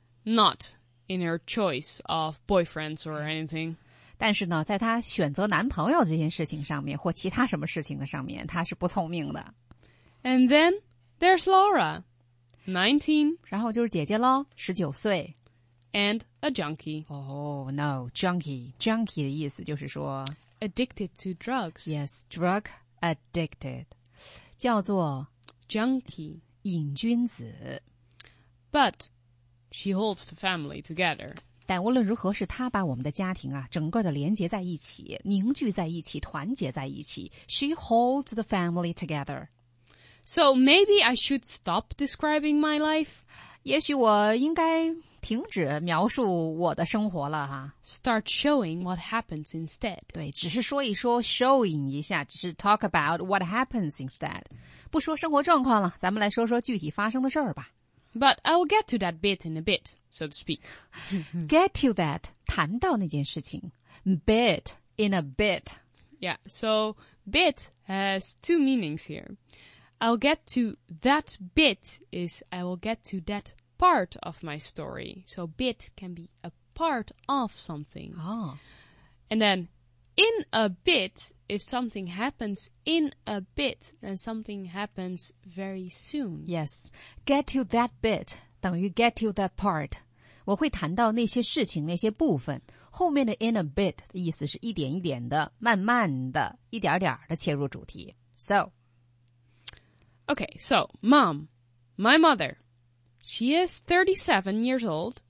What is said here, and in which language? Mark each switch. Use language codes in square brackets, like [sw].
[en] Not in her choice of boyfriends or anything. [zh] 但是呢在她选择男朋友这件事情上面或其他什么事情的上面她是不聪明的。 [en] And then, there's Laura. 19. [zh] 然后就是姐姐咯 ,19 岁。 [en] And a junkie. Oh, no, junkie. Junkie [zh] 的意思就是说 [en] addicted to drugs. Yes, drug addicted. 叫做 junkie. [zh] 瘾君子。 [en] But she holds the family together. [zh] 但无论如何是她把我们的家庭啊整个的连结在一起凝聚在一起团结在一起。 [en] She holds the family together. So maybe I should stop describing my life. [zh] 也许我应该停止描述我的生活了哈。 [en] Start showing what happens instead. [zh] 对，只是说一说 [en] ，showing [zh] 一下，只是 [en] talk about what happens instead. [zh] 不说生活状况了，咱们来说说具体发生的事儿吧。 [en] But I will get to that bit in a bit, so to speak. Get to that, [zh] 谈到那件事情 [en] ，bit in a bit. Yeah. So bit has two meanings here. I'll get to that bit is I will get to that part of my story. So bit can be a part of something. Oh. And then in a bit, if something happens in a bit, then something happens very soon. Yes. Get to that bit 等于 get to that part. [zh] 我会谈到那些事情那些部分。后面的 in a bit 的意思是一点一点的慢慢的一点点的切入主题。So, [en] Okay, so, mom, my mother, she is 37 years old.